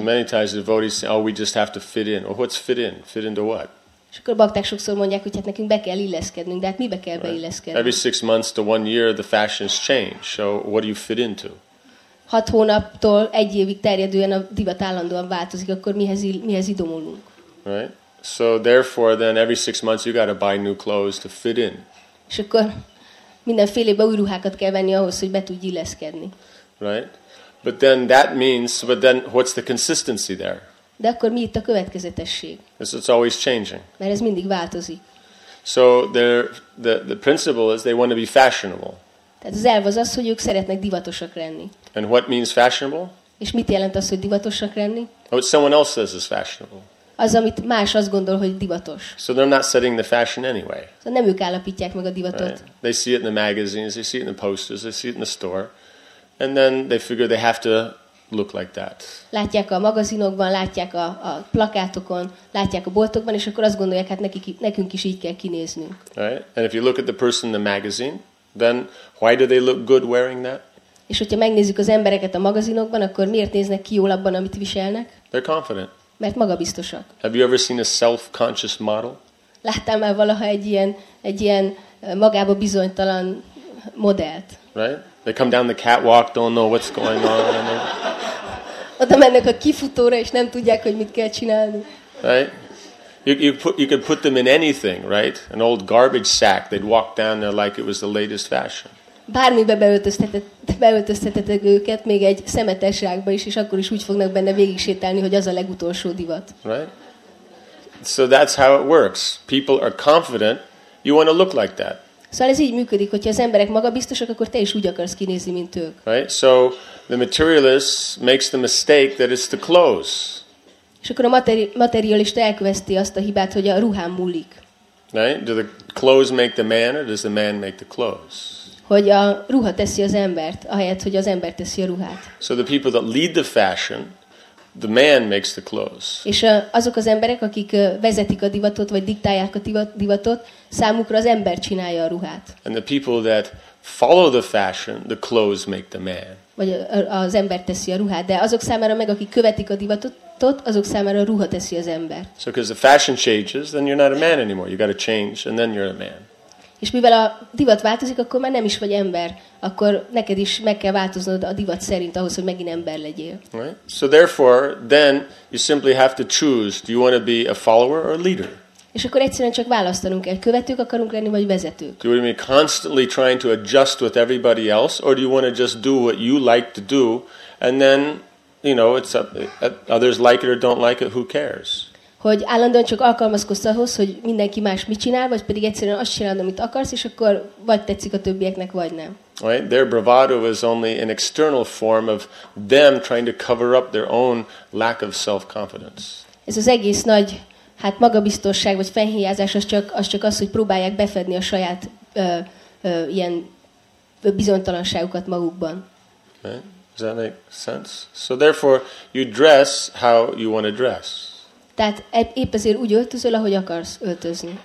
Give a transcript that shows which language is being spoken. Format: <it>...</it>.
<en>Many times the devotees say, oh, we just have to fit in. Or what's fit in? Fit into what?</en> <hu>És akkor a bakták sokszor mondják, hogy hát nekünk be kell illeszkednünk, de hát mibe kell beilleszkednünk?</hu> <en>Every 6 months to 1 year the fashions change. So what do you fit into?</en> <hu>6 hónaptól 1 évig terjedően a divat állandóan változik, akkor mihez idomulunk?</hu> <en>Right? So therefore then every 6 months you got to buy new clothes to fit in.</en> <hu>És akkor minden fél évben új ruhákat kell venni ahhoz, hogy be tudj illeszkedni.</hu> <en>Right? But then that means, but then what's the consistency there?</en> <hu>De akkor mi itt a következetesség?</hu> <en>It's always changing.</en> <hu>Mert ez mindig változik.</hu> <en>So the principle is they want to be fashionable.</en> <hu>Tehát az elv az, hogy ők szeretnek divatosak lenni.</hu> <en>And what means fashionable?</en> <hu>És mit jelent az, hogy divatosak lenni?</hu> <en>What someone else says is fashionable.</en> <hu>Az, amit más azt gondol, hogy divatos.</hu> <en>So they're not setting the fashion anyway.</en> <hu>Szóval nem ők állapítják meg a divatot.</hu> <en>Right. They see it in the magazines, they see it in the posters, they see it in the store. And then they figure they have to look like that.</en> <hu>Látják a magazinokban, látják a plakátokon, látják a boltokban, és akkor azt gondolják, hát nekünk is így kell kinéznünk.</hu> <en>Right? And if you look at the person in the magazine, then why do they look good wearing that?</en> <hu>És hogyha megnézzük az embereket a magazinokban, akkor miért néznek ki jól abban, amit viselnek?</hu> <en>They're confident.</en> <hu>Mert magabiztosak.</hu> <en>Have you ever seen a self-conscious model?</en> <hu>Láttam már valaha egy ilyen magába bizonytalan modellt.</hu> <en>Right? They come down the catwalk, don't know what's going on.</en> <hu>Oda mennek a kifutóra, és nem tudják, hogy mit kell csinálni.</hu> <en>Right? You could put them in anything, right? An old garbage sack. They'd walk down there like it was the latest fashion.</en> <hu>Bármibe beöltöztetetek őket, még egy szemetes zsákba is, és akkor is úgy fognak benne végig sétálni, hogy az a legutolsó divat.</hu> <en>Right? So that's how it works. People are confident. You want to look like that.</en> <hu>Szóval ez így működik, hogyha az emberek magabiztosak, akkor te is úgy akarsz kinézni, mint ők.</hu> <en>Right? So the materialist makes the mistake that it's the clothes.</en> <hu>És akkor a materialista elköveszti azt a hibát, hogy a ruhám múlik.</hu> <en>Right? Do the clothes make the man, or does the man make the clothes?</en> <hu>Hogy a ruha teszi az embert, ahelyett, hogy az ember teszi a ruhát.</hu> <en>So the people that lead the fashion, the man makes the clothes.</en> <hu>És azok az emberek, akik vezetik a divatot, vagy diktálják a divatot, számukra az ember csinálja a ruhát.</hu> <en>And the people that follow the fashion, the clothes make the man.</en> <hu>Vagy az ember teszi a ruhát, de azok számára meg, akik követik a divatot, azok számára a ruha teszi az ember.</hu> <en>So because the fashion changes, then you're not a man anymore. You got to change, and then you're a man.</en> <hu>És mivel a divat változik, akkor már nem is vagy ember, akkor neked is meg kell változnod a divat szerint ahhoz, hogy megint ember legyél.</hu> <en>Right. So therefore, then you simply have to choose, do you want to be a follower or a leader?</en> <hu>És akkor egyszerűen csak választanunk kell, követők akarunk lenni vagy vezetők.</hu> <en>Do you want to be constantly trying to adjust with everybody else, or do you want to just do what you like to do, and then, you know, it's others like it or don't like it, who cares?</en> <hu>Hogy állandóan csak alkalmazkodsz ahhoz, hogy mindenki más mit csinál, vagy pedig egyszerűen azt csinálod, amit akarsz, és akkor vagy tetszik a többieknek, vagy nem.</hu> <en>Right? Their bravado is only an external form of them trying to cover up their own lack of self-confidence.</en> <hu>Ez az egész nagy, hát magabiztosság vagy fenhéjázás, az csak az, hogy próbálják befedni a saját ilyen bizonytalanságukat magukban.</hu> <en>Right? Does that make sense? So therefore, you dress how you want to dress.</en> <hu>Tehát épp ezért úgy öltözöl, ahogy akarsz öltözni.</hu>